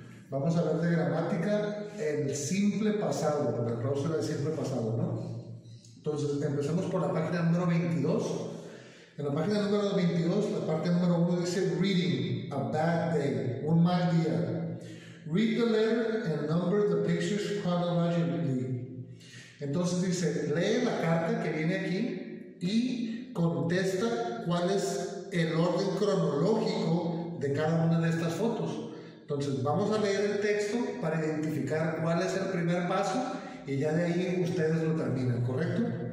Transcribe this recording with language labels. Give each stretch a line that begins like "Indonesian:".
Spanish: Vamos a ver de gramática el simple pasado, porque el clausura es simple pasado, ¿no? Entonces, empecemos por la página número 22. En la página número 22, la parte número 1 dice
English: reading, a bad day,
Spanish: un mal día.
English: Read the letter and number the pictures chronologically.
Spanish: Entonces dice, lee la carta que viene aquí y contesta cuál es el orden cronológico de cada una de estas fotos. Entonces, vamos a leer el texto para identificar cuál es el primer paso y ya de ahí ustedes lo terminan, ¿correcto?